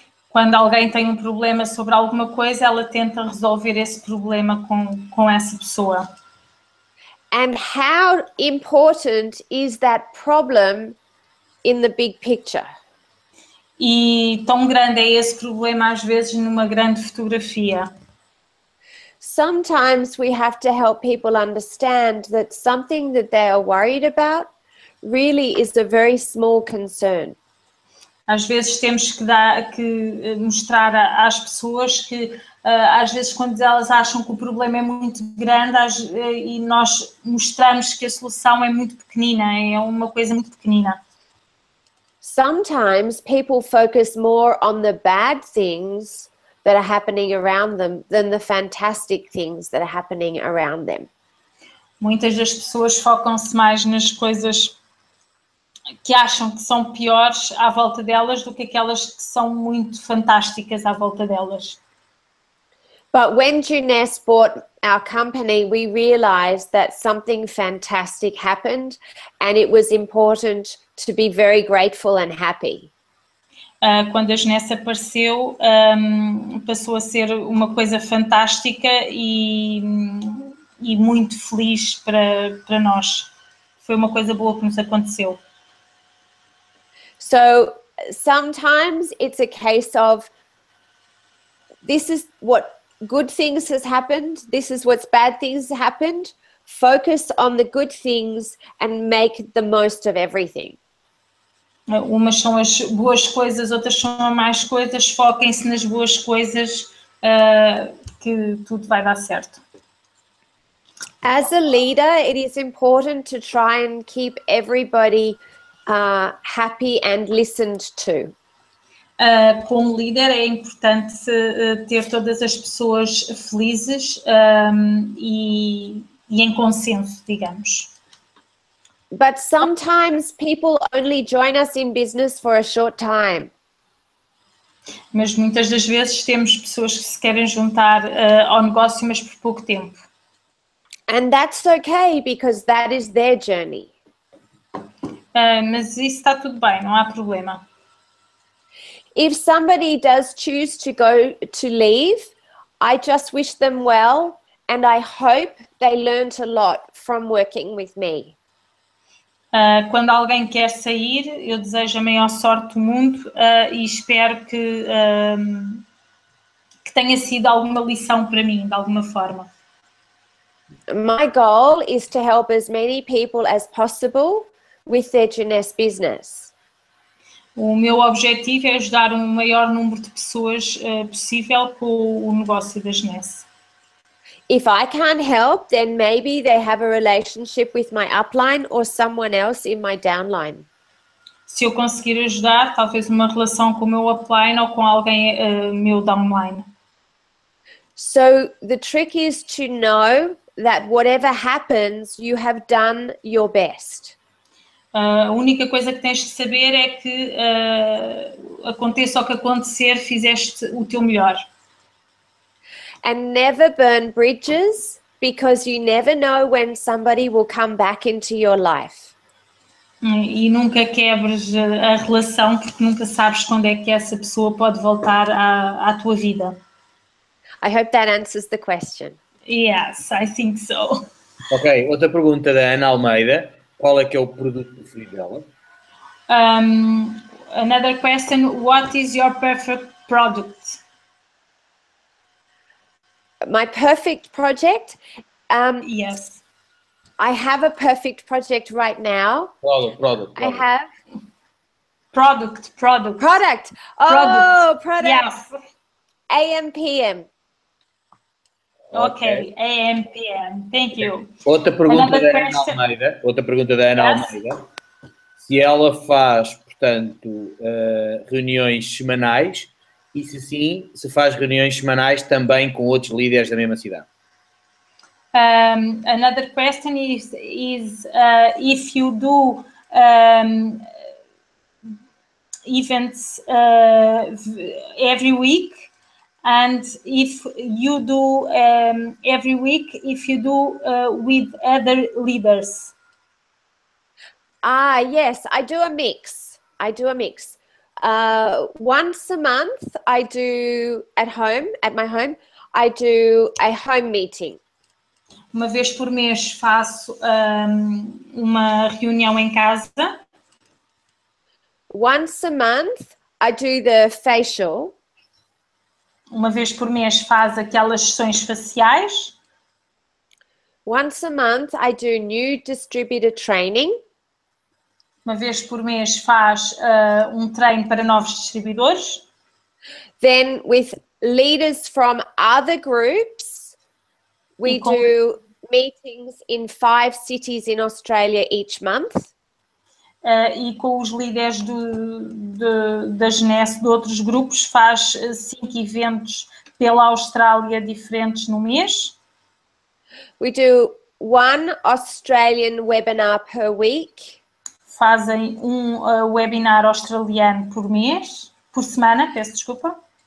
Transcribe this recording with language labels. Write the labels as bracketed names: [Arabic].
[Portuguese] Quando alguém tem um problema sobre alguma coisa, ela tenta resolver esse problema com essa pessoa. [English] And how important is that problem in the big picture? [Portuguese] E tão grande é esse problema às vezes numa grande fotografia. [English] Sometimes we have to help people understand that something that they are worried about really is a very small concern. [Portuguese] Às vezes temos que mostrar às pessoas que às vezes quando elas acham que o problema é muito grande e nós mostramos que a solução é muito pequenina, é uma coisa muito pequenina. [English] Sometimes people focus more on the bad things that are happening around them than the fantastic things that are happening around them. [Portuguese] Muitas das pessoas focam-se mais nas coisas que acham que são piores à volta delas do que aquelas que são muito fantásticas à volta delas. [English] But when Juness bought our company, we realized that something fantastic happened and it was important to be very grateful and happy. [Portuguese] Quando a Juness apareceu, passou a ser uma coisa fantástica e muito feliz para nós. Foi uma coisa boa que nos aconteceu. [English] So, sometimes it's a case of this is what good things has happened, this is what bad things has happened. Focus on the good things and make the most of everything. [Portuguese] Umas são as boas coisas, outras são as más coisas. Foquem-se nas boas coisas, que tudo vai dar certo. [English] As a leader, it is important to try and keep everybody happy and listened to. [Portuguese] Como líder é importante ter todas as pessoas felizes e em consenso, digamos. [English] But sometimes people only join us in business for a short time. [Portuguese] Mas muitas das vezes temos pessoas que se querem juntar ao negócio, mas por pouco tempo. [English] And that's okay because that is their journey. [Portuguese] Mas isso está tudo bem, não há problema. [English] If somebody does choose to go to leave, I just wish them well and I hope they learned a lot from working with me. [Portuguese] Quando alguém quer sair, eu desejo a maior sorte do mundo e espero que tenha sido alguma lição para mim, de alguma forma. [English] My goal is to help as many people as possible with their Juness business. [Portuguese] O meu objetivo é ajudar o maior número de pessoas possível com o negócio da Juness. [English] if I can't help, then maybe they have a relationship with my upline or someone else in my downline. [Portuguese] Se eu conseguir ajudar, talvez uma relação com o meu upline ou com alguém meu downline. [English] So the trick is to know that whatever happens, you have done your best. [Portuguese] A única coisa que tens de saber é que aconteça o que acontecer, fizeste o teu melhor. [English] And never burn bridges, because you never know when somebody will come back into your life. [Portuguese] E nunca quebres a relação, porque nunca sabes quando é que essa pessoa pode voltar à tua vida. [English] I hope that answers the question. Yes, I think so. [Portuguese] Ok, outra pergunta da Ana Almeida. Qual é que é o produto preferido dela? [English] Another question, what is your perfect product? My perfect project? Yes. I have a perfect project right now. Product. I have. Product. Product. Yes. AMPM. Okay. AMPM. Thank you. [Portuguese] Outra pergunta da Ana Almeida. Outra pergunta da Ana Almeida. Se ela faz, portanto, reuniões semanais, e se sim, se faz reuniões semanais também com outros líderes da mesma cidade. [English] Another question is if you do events every week. And if you do every week, if you do with other leaders? Yes, I do a mix. Once a month, I do at my home, I do a home meeting. [Portuguese] Uma vez por mês faço uma reunião em casa. [English] Once a month, I do the facial. [Portuguese] Uma vez por mês faz aquelas sessões faciais. [English] Once a month I do new distributor training. [Portuguese] Uma vez por mês faz um treino para novos distribuidores. [English] Then with leaders from other groups, we do meetings in 5 cities in Australia each month. [Portuguese] E com os líderes da GNES, de outros grupos, faz 5 eventos pela Austrália diferentes no mês. [English] We do 1 Australian webinar per week. [Portuguese] Fazem um webinar australiano por mês, por semana, peço desculpa.